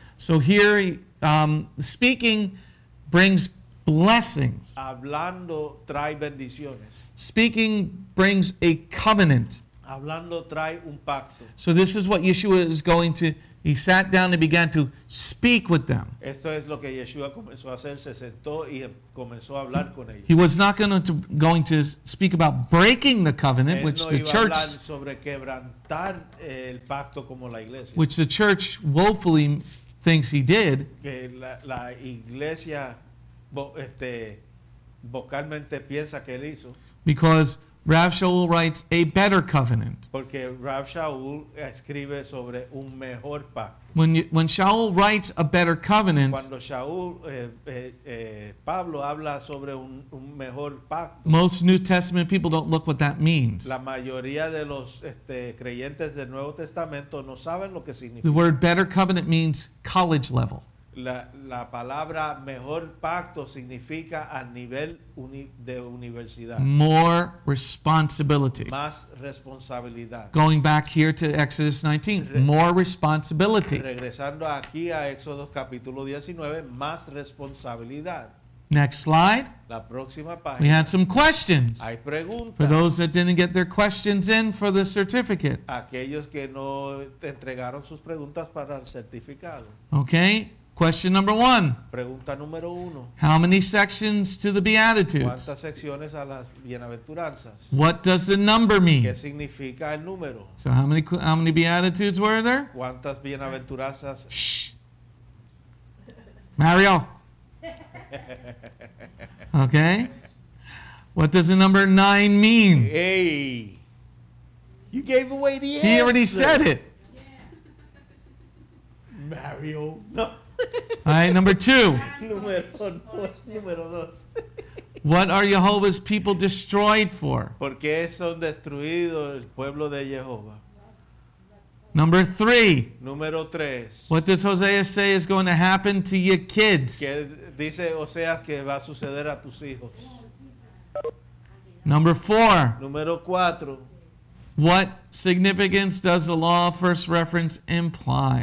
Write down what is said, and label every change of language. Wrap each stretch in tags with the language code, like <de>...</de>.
<en>So here, speaking brings blessings.</en> <es>Hablando trae bendiciones.</es> <en>Speaking brings a covenant.</en> <es>Hablando trae un pacto.</es> <en>So this is what Yeshua is going to. He sat down and began to speak with them.</en> <es>Esto es lo que Yeshua comenzó a hacer. Se sentó y comenzó a hablar con ellos.</es> <en>He was not going to speak about breaking the covenant,</en> <es>él</es> <en>which</en> <es>no</es> <en>the</en> <es>iba</es> <en>church.</en> <es>A hablar sobre quebrantar el pacto como la iglesia.</es> <en>Which the church woefully thinks he did.</en> <es>Que la iglesia. Vocalmente piensa que él hizo.</es> <en>Because Rav Shaul writes a better covenant.</en> <es>Porque Rav Shaul escribe sobre un mejor pacto.</es> <en>When Shaul writes a better covenant,</en> <es>cuando Shaul, Pablo habla sobre un mejor pacto,</es> <en>most New Testament people don't look what that means.</en> <es>La mayoría de los creyentes del Nuevo Testamento no saben lo que significa.</es> <en>The word better covenant means college level.</en> <es>La palabra mejor pacto significa a nivel de universidad.</es> <en>More responsibility.</en> <es>Más responsabilidad.</es> <en>Going back here to Exodus 19, more responsibility.</en> <es>Regresando aquí a Éxodo capítulo 19, más responsabilidad.</es> <en>Next slide.</en> <es>La próxima página.</es> <en>We had some questions.</en> <es>Hay preguntas.</es> <en>For those that didn't get their questions in for the certificate.</en> <es>Aquellos que no entregaron sus preguntas para el certificado.</es> <en>Okay. Question number one.</en> <es>Pregunta número uno.</es> <en>How many sections to the Beatitudes?</en> <es>¿Cuántas secciones a las bienaventuranzas?</es> <en>What does the number mean?</en> <es>¿Qué significa el número?</es> <en>So how many Beatitudes were there?</en> <es>¿Cuántas bienaventuranzas?</es> <en>Shh. Mario. Okay. What does the number nine mean? Hey. You gave away the answer. He already said it. Mario. No. All right, number two.</en> <es>Número dos.</es> <en>What are Jehovah's people destroyed for?</en> <es>¿Por qué son destruidos el pueblo de Jehová?</es> <en>Number three.</en> <es>Número tres.</es> <en>What does Hosea say is going to happen to your kids?</en> <es>¿Qué dice Hosea que va a suceder a tus hijos?</es> <en>Number four.</en> <es>Número cuatro.</es> <en>What significance does the law of first reference imply?</en>